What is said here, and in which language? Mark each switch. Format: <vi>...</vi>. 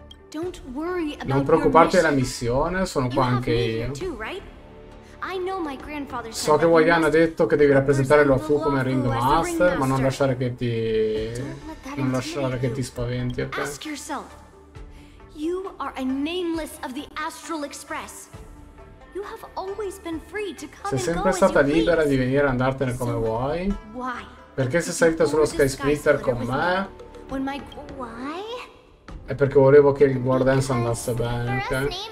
<it>Non preoccuparti della missione, sono qua anche io. So che Wayan ha detto che devi rappresentare Luofu come Ring Master, ma non lasciare che ti... non lasciare che ti spaventi, ok?</it> <en>You are a nameless of the Astral Express. You have always been free to come and go.</en> <it>Sei sempre stata libera di venire e andartene come vuoi.</it> <en>Why?</en> <it>Perché sei salita sullo Sky Splitter con me?</it> <en>When my why?</en> <it>È perché volevo che il War Dance andasse bene, ok?</it>